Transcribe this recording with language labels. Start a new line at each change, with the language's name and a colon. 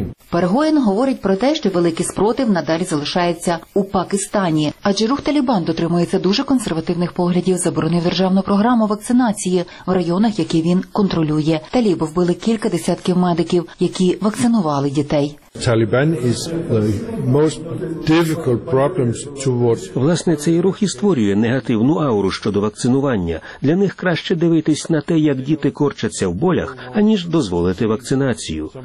Ukrainian: Пер Гоєн говорить про те, що великий спротив надалі залишається у Пакистані. Адже рух «Талібан» дотримується дуже консервативних поглядів, заборонив державну програму вакцинації в районах, які він контролює. Таліби вбили кілька десятків медиків, які вакцинували дітей.
English: Taliban is the most difficult problems towards.
Ukrainian: Власне, цей рух і створює негативну ауру щодо вакцинування. Для них краще дивитись на те, як діти корчаться в болях, аніж дозволити вакцинацію.